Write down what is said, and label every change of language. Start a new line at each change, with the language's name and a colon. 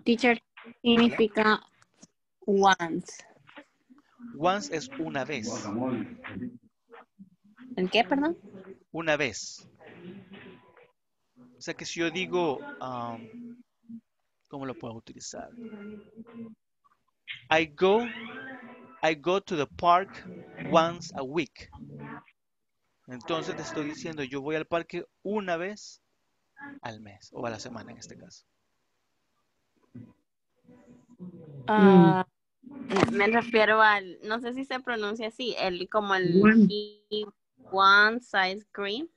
Spanish: Teacher, significa once. Once es una vez. ¿En qué, perdón? Una vez. O sea que si yo digo, ¿cómo lo puedo utilizar?
English: I go to the park once a week.
Spanish: Entonces te estoy diciendo, yo voy al parque una vez al mes, o a la semana en este caso. Me refiero al, no sé si se pronuncia así, el como el
English: he wants ice cream.